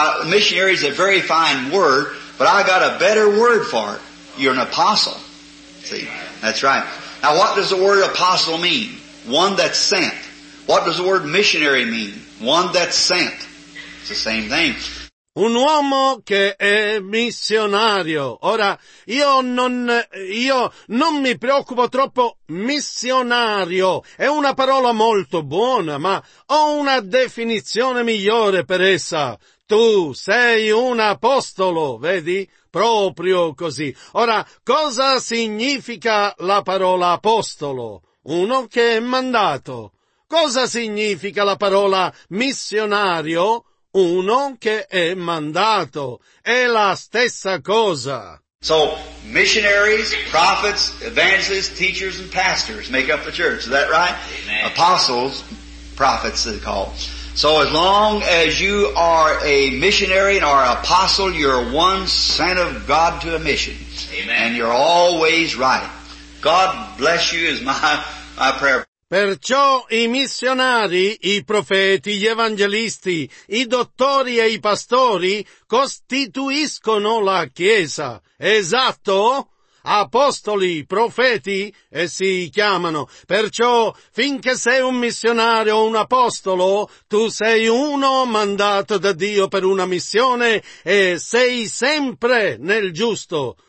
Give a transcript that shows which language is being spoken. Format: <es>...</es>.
<en>Missionary is a very fine word, but I got a better word for it. You're an apostle. See, that's right. Now, what does the word apostle mean? One that's sent. What does the word missionary mean? One that's sent. It's the same thing.</en> <it>Un uomo che è missionario. Ora, io non mi preoccupo troppo. Missionario è una parola molto buona, ma ho una definizione migliore per essa. Tu sei un apostolo, vedi? Proprio così. Ora, cosa significa la parola apostolo? Uno che è mandato. Cosa significa la parola missionario? Uno che è mandato. È la stessa cosa.</it> <en>So, missionaries, prophets, evangelists, teachers, and pastors make up the church. Is that right? Amen. Apostles, prophets, they're called. So as long as you are a missionary and are an apostle, you're one sent of God to a mission. Amen. And you're always right. God bless you is my prayer.</en> <it>Perciò i missionari, i profeti, gli evangelisti, i dottori e i pastori costituiscono la Chiesa. Esatto? Apostoli, profeti, essi chiamano. Perciò, finché sei un missionario o un apostolo, tu sei uno mandato da Dio per una missione e sei sempre nel giusto.</it>